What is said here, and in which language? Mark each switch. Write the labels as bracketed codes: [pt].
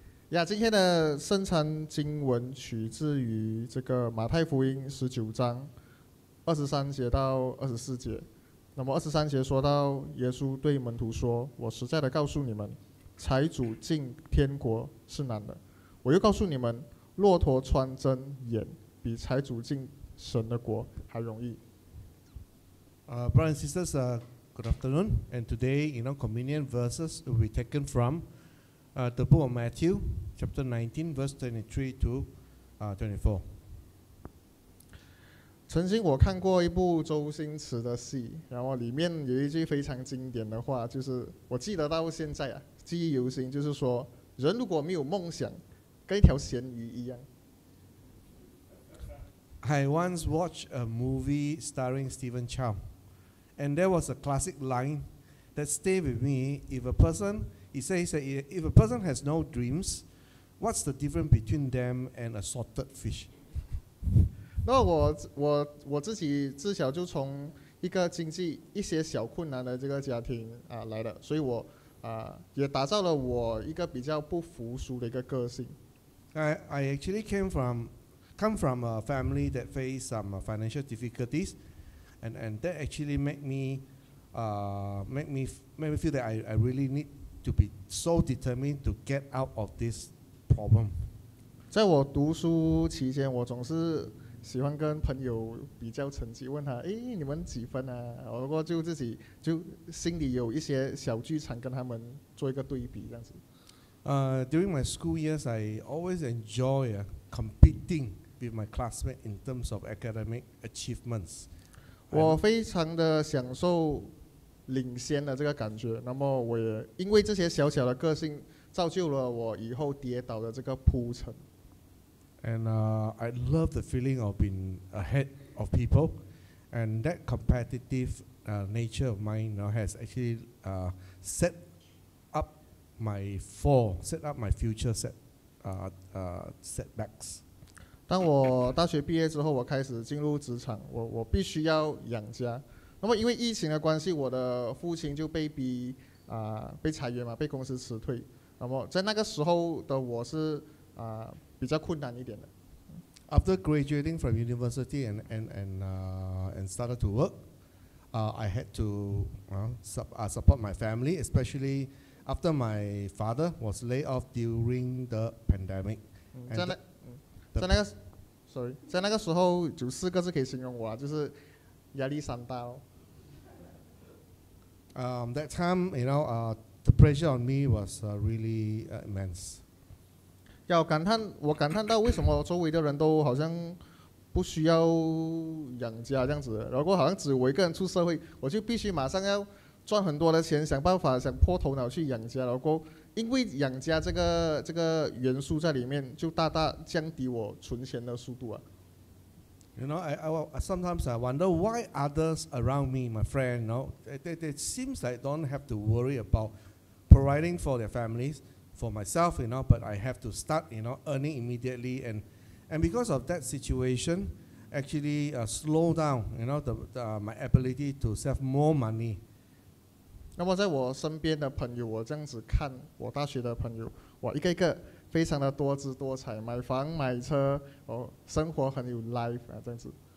[zh] 呀，今天的圣餐经文取自于这个马太福音十九章二十三节到二十四节。那么二十三节说到，耶稣对门徒说：“我实在的告诉你们，财主进天国是难的。我又告诉你们，骆驼穿针眼比财主进神的国还容易。 [en] ”Brothers and sisters. Good afternoon, and today, in our communion verses will be taken from the book of Matthew, chapter 19, verse 23 to 24. [zh] 曾经我看过一部周星驰的戏，然后里面有一句非常经典的话，就是我记得到现在啊，记忆犹新，就是说，人如果没有梦想，跟一条咸鱼一样。 [en] I once watched a movie starring Stephen Chow. And there was a classic line that stayed with me. If a person has no dreams, what's the difference between them and a salted fish? [zh] 那我自己自小就从一个经济一些小困难的这个家庭来的，所以我也打造了我一个比较不服输的一个个性。 [en] I actually come from a family that faced some financial difficulties. And that actually made me feel that I really need to be so determined to get out of this problem. [zh] 在我读书期间，我总是喜欢跟朋友比较成绩，问他：“哎，你们几分啊？” 我不过就自己就心里有一些小剧场，跟他们做一个对比这样子。 [en] During my school years, I always enjoy competing with my classmates in terms of academic achievements. [zh] 我非常的享受领先的这个感觉，那么我也因为这些小小的个性造就了我以后跌倒的这个铺陈。 [en] And I love the feeling of being ahead of people, and that competitive nature of mine now has actually set up my future setbacks. [zh] 当我大学毕业之后，我开始进入职场，我必须要养家。那么因为疫情的关系，我的父亲就被逼被裁员嘛，被公司辞退。那么在那个时候的我是比较困难一点的。 [en] After graduating from university and started to work, I had to support my family, especially after my father was laid off during the pandemic. In that time, [zh] 就四个字可以形容我啊，就是压力山大哦。 [en] That time, you know, the pressure on me was really immense. [zh] 要感叹，我感叹到为什么周围的人都好像不需要养家这样子，然后好像只有我一个人出社会，我就必须马上要赚很多的钱，想办法想破头脑去养家，然后。因为养家这个元素在里面，就大大降低我存钱的速度啊。 [en] You know, I sometimes wonder why others around me, my friend, you know, they seems like don't have to worry about providing for their families, for myself, you know, but I have to start, you know, earning immediately, and because of that situation, actually slow down, you know, the my ability to save more money. [zh] 那么在我身边的朋友，我这样子看我大学的朋友，我一个一个非常的多姿多彩，买房买车，哦，生活很有 life 啊，这样子。